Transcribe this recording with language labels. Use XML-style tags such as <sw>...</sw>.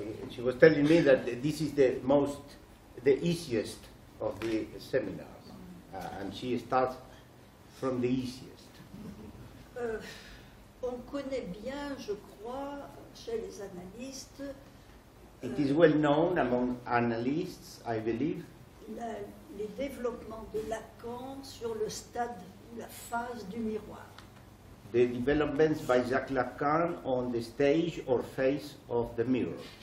<en>She was telling me that this is the easiest of the seminars, and she starts from the easiest.</en> <fr>on connaît bien, je crois, chez les analystes.</fr> <en>It is well known among analysts, I believe.</en> <fr>Les développements de Lacan sur le stade, la phase du miroir.</fr> <en>The developments by Jacques Lacan on the stage or phase of the mirror.</en>